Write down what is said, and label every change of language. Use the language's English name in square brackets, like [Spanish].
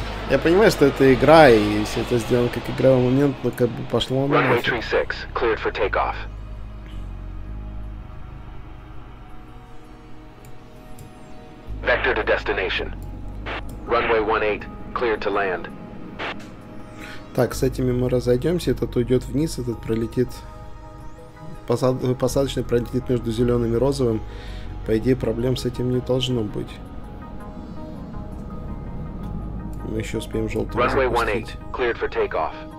[Russian] Я понимаю, что это игра, и если это сделано как игровой момент, но как бы пошло на нафиг. [English] Runway 36, cleared for takeoff. Vector to destination. Runway 18, cleared to land. [Russian] Так, с этими мы разойдемся, этот уйдет вниз, этот пролетит... Посадочный пролетит между зеленым и розовым. По идее, проблем с этим не должно быть. Мы еще успеем желтым. [English] Runway 18, cleared for takeoff.